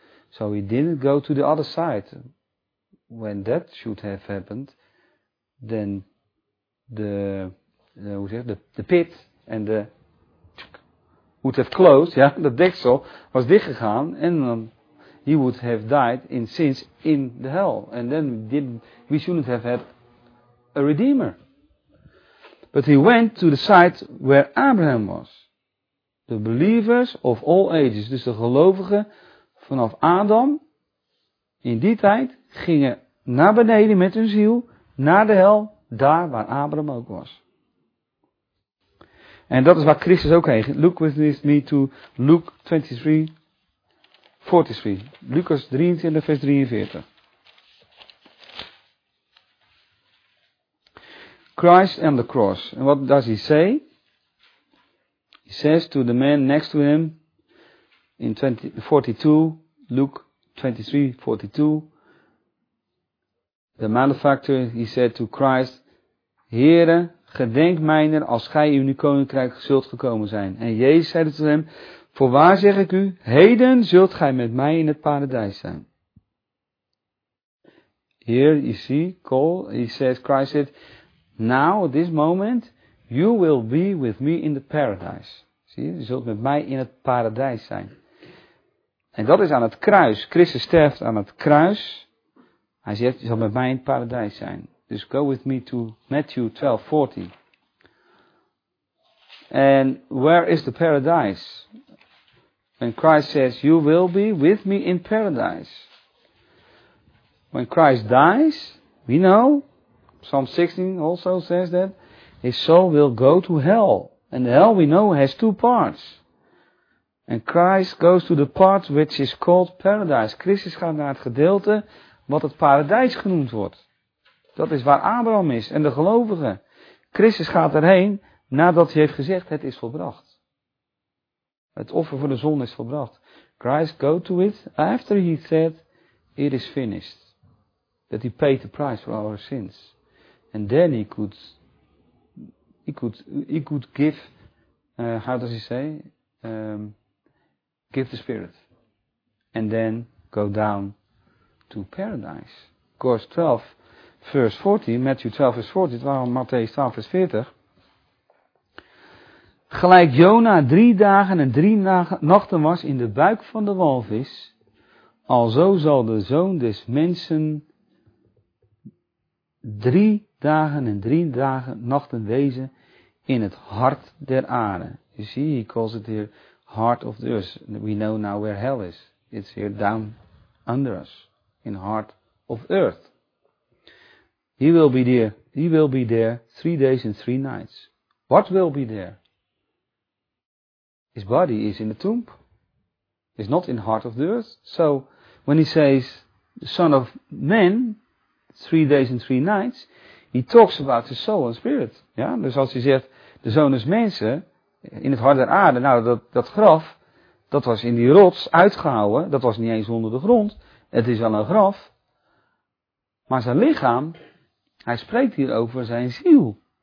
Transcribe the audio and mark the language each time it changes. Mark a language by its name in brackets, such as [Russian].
[English] So he didn't go to the other side. When that should have happened, then the pit and the would have closed, yeah, the [Dutch] deksel was dichtgegaan, [English] and he would have died in sins in the hell, and then we shouldn't have had a redeemer. But he went to the site where Abraham was. The believers of all ages, [Dutch] dus de gelovigen vanaf Adam, in die tijd gingen naar beneden met hun ziel, naar de hel, daar waar Abraham ook was. En dat is waar Christus ook heen ging. [English] Look with me to Luke 23, 43. [Dutch] Lucas 23, vers 43. [English] Christ and the cross. And what does he say? He says to the man next to him, in 42, Luke 23, 42. The malefactor, he said to Christ, [Dutch] Heere, gedenk mijner als gij in uw koninkrijk zult gekomen zijn. En Jezus zeide tot hem, voorwaar zeg ik u, heden zult gij met mij in het paradijs zijn. [English] Here you see, Cole, he said, Christ said, now at this moment, you will be with me in the paradise. [Dutch] Zie je, zult met mij in het paradijs zijn. En dat is aan het kruis. Christus sterft aan het kruis. Hij zegt, je zal met mij in het paradijs zijn. [English] Dus go with me to Matthew 12, 40. And where is the paradise? When Christ says, you will be with me in paradise. When Christ dies, we know, Psalm 16 also says that, his soul will go to hell. And hell, we know, has two parts. And Christ goes to the part which is called paradise. [Dutch] Christus gaat naar het gedeelte wat het paradijs genoemd wordt. Dat is waar Abraham is en de gelovigen. Christus gaat erheen nadat hij heeft gezegd, het is volbracht. Het offer voor de zonde is volbracht. [English] Christ go to it after he said, it is finished. That he paid the price for our sins. And then he could give, how does he say, give the spirit. And then go down to paradise. Course 12, verse 40, Matthew 12, verse 40, [Dutch] het waren Matthäus 12, vers 40. Gelijk Jona 3 dagen en 3 nachten was in de buik van de walvis, alzo zal de zoon des mensen 3 dagen en 3 nachten wezen in het hart der aarde. [English] You see, he calls it here heart of the earth. We know now where hell is. It's here down under us. In heart of earth. He will be there 3 days and 3 nights. What will be there? His body is in the tomb. It's not in heart of the earth. So when he says the son of man 3 days and 3 nights. He talks about his soul and spirit. Ja? [Dutch] Dus als hij zegt de zoon is mensen in het hart der aarde. Nou dat graf dat was in die rots uitgehouwen. Dat was niet eens onder de grond. Het is wel een graf, maar zijn lichaam, hij spreekt hier over zijn ziel.